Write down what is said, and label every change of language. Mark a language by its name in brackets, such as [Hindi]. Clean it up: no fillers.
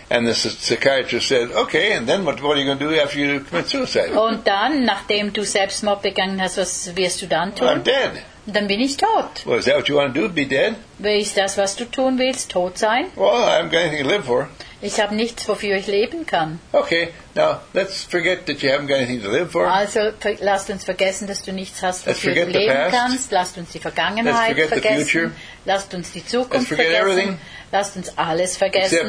[English] And the psychiatrist said, okay. And then what are you going to do after you commit suicide? [German] Und dann, nachdem du Selbstmord begangen hast, was wirst du dann tun? [English] I'm dead. [German] Dann bin ich tot. [English] Well, is that what you want to do? Be dead? [German] Ist das, was du tun willst? Tot sein? [English] Well, I haven't got anything to live for. [German] Ich habe nichts, wofür ich leben kann. [English] Okay, now let's forget that you haven't got anything to live for. [German] Also, lasst uns vergessen, dass du nichts hast, [English] let's [German] wofür du leben kannst. Lasst uns die Vergangenheit [English] let's forget [German] vergessen. [English] The future. [German] Lasst uns die Zukunft [English] let's forget [German] vergessen. [English] Everything. [German] Lasst uns alles vergessen.